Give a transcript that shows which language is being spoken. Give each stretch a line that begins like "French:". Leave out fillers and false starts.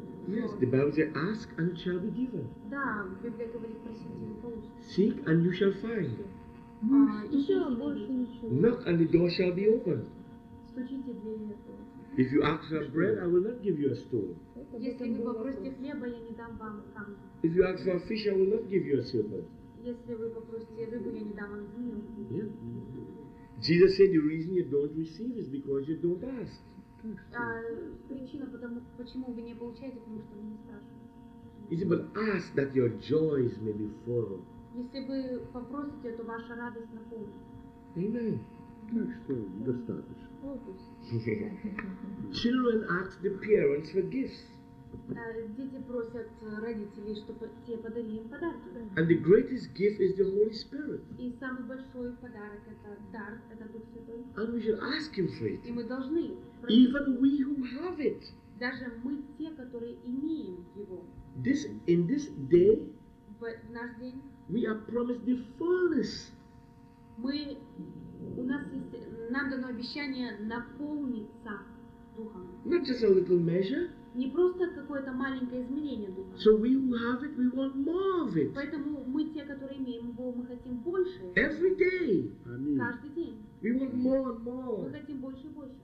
English: Yes, the Bible says, ask and it shall be given.
Russian: Да, Библия говорит, просите и получите.
English: Seek and you shall find.
Russian: Еще больше ничего.
English: Knock and the door shall be opened.
Russian: Стучите в дверь.
English: If you ask for bread, I will not give you a stone.
Russian: Если вы попросите хлеба, я не дам вам камень.
English: If you ask for fish, I will not give you a serpent.
Russian: Если вы попросите рыбу, я не дам вам змею.
English: Jesus said the reason you don't receive is because you don't ask.
Russian: Причина, почему вы не получаете, потому что вы не спрашиваете.
English: He said, but ask that your joys may be full.
Russian: Если вы попросите, то ваша радость наполнится.
English: Amen.
Russian: Так что достаточно.
English: Children ask the parents for gifts.
Russian: Дети просят родителей, чтобы те подарили им подарки.
English: And the greatest gift is the Holy Spirit.
Russian: И самый большой подарок это дар, это Дух Святой.
English: And we should ask him for it.
Russian: И мы должны.
English: Even we who have it.
Russian: Даже мы те, которые имеем его.
English: This in this day.
Russian: В наш день.
English: We are promised the fullness.
Russian: Мы У нас есть, нам дано обещание наполниться Духом.
English: Not just a little measure.
Russian: Не просто какое-то маленькое изменение Духа.
English: So we who have it, we want more of it.
Russian: Поэтому мы те, которые имеем Бога, мы хотим больше.
English: Every day.
Russian: Аминь. Каждый день.
English: We want more and more.
Russian: Мы хотим больше и больше.